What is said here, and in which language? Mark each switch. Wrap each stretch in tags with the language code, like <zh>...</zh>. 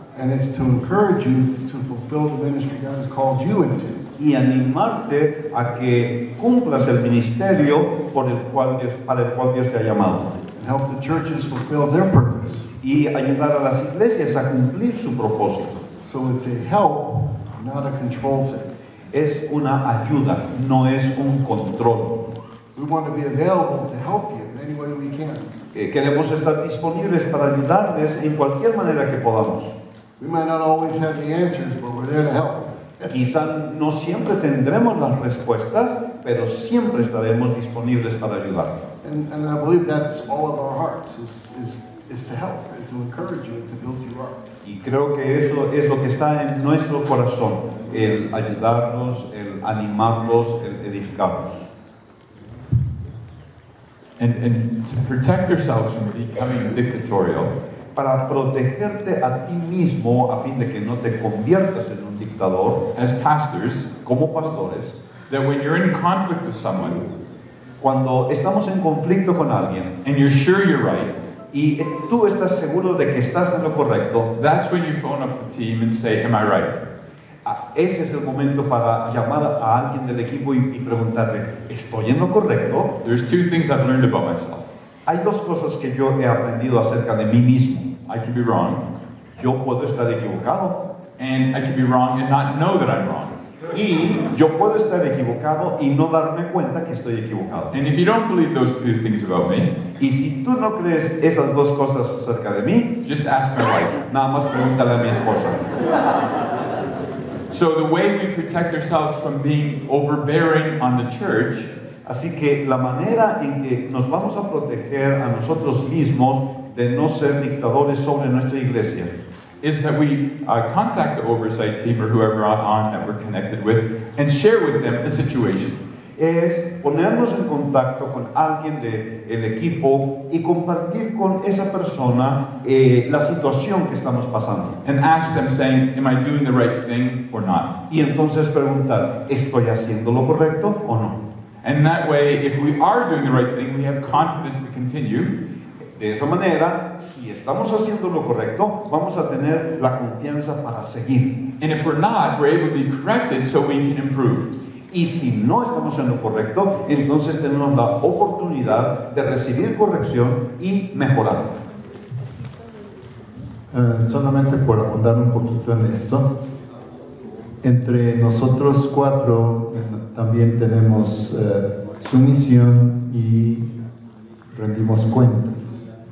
<en>and it's to encourage you to fulfill the ministry God has called you into,</en> <es>y animarte a que cumplas el ministerio para el cual Dios te ha llamado.</es> <en>Help the churches fulfill their purpose.</en> <es>Y ayudar a las iglesias a cumplir su propósito.</es> <en>So it's a help, not a control thing.</en> <es>Es una ayuda, no es un control.</es> <en>We want to be available to help you in any way we can.</en> <es>Queremos estar disponibles para ayudarles en cualquier manera que podamos.</es> <en>We might not always have the answers, but we're there to help.</en> <es>Quizá no siempre tendremos las respuestas, pero siempre estaremos disponibles para ayudar.</es> <en>And I believe that's all of our hearts is to help and to encourage you and to build you up.</en> <es>Y creo que eso es lo que está en nuestro corazón, el ayudarlos, el animarlos, el edificarlos.</es> <en>And to protect yourselves from becoming dictatorial.</en> <es>Para protegerte a ti mismo a fin de que no te conviertas en un dictador.</es> <en>As pastors,</en> <es>como pastores,</es> <en>that when you're in conflict with someone.</en> <es>Cuando estamos en conflicto con alguien,</es> <en>and you're sure you're right,</en> <es>y tú estás seguro de que estás en lo correcto,</es> <en>that's when you phone up the team and say, "Am I right?"</en> <es>Ese es el momento para llamar a alguien del equipo y preguntarle, ¿estoy en lo correcto?</es> <en>There's two things I've learned about myself.</en> <es>Hay dos cosas que yo he aprendido acerca de mí mismo.</es> <en>I can be wrong.</en> <es>Yo puedo estar equivocado.</es> <en>And I can be wrong and not know that I'm wrong.</en> <es>Y yo puedo estar equivocado y no darme cuenta que estoy equivocado.</es> <en>And if you don't believe those two things about me,</en> <es>y si tú no crees esas dos cosas acerca de mí,</es> <en>just ask my wife.</en> <es>Nada más pregúntale a mi esposa.</es> <en>So the way we protect ourselves from being overbearing on the church,</en> <es>así que la manera en que nos vamos a proteger a nosotros mismos de no ser dictadores sobre nuestra iglesia,</es> <en>is that we contact the oversight team or whoever on that we're connected with and share with them the situation.</en> <es>Es ponernos en contacto con alguien de el equipo y compartir con esa persona la situación que estamos pasando.</es> <en>And ask them, saying, "Am I doing the right thing or not?"</en> <es>Y entonces preguntar, ¿estoy haciendo lo correcto o no?</es> <en>And that way, if we are doing the right thing, we have confidence to continue.</en> <es>De esa manera, si estamos haciendo lo correcto, vamos a tener la confianza para seguir.</es> <en>And if we're not, we're able to be corrected so we can improve.</en> <es>Y si no estamos en lo correcto, entonces tenemos la oportunidad de recibir corrección y mejorar. Solamente por abundar un poquito en esto, entre nosotros cuatro también tenemos sumisión y rendimos cuentas.</es>